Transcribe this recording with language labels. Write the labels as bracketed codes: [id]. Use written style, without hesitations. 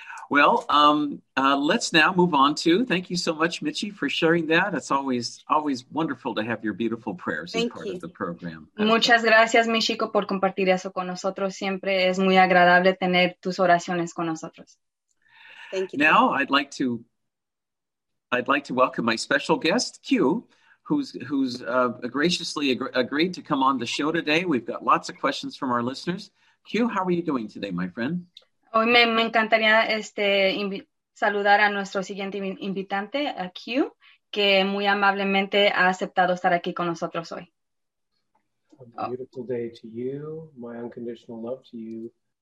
[en] Let's now move on to, thank you so much, Michi, for sharing that. It's always wonderful to have your beautiful prayers as part of the program. [es] Muchas gracias, Michiko, por compartir eso con nosotros. Siempre es muy agradable tener tus oraciones con nosotros. [en] Thank you. Now, I'd like to welcome my special guest, Q, who's graciously agreed to come on the show today. We've got lots of questions from our listeners. Q, how are you doing today, my friend? [es] Hoy me encantaría saludar a nuestro siguiente invitante, a Q, que muy amablemente ha aceptado estar aquí con nosotros hoy. [en] A beautiful day to you, my unconditional love to you.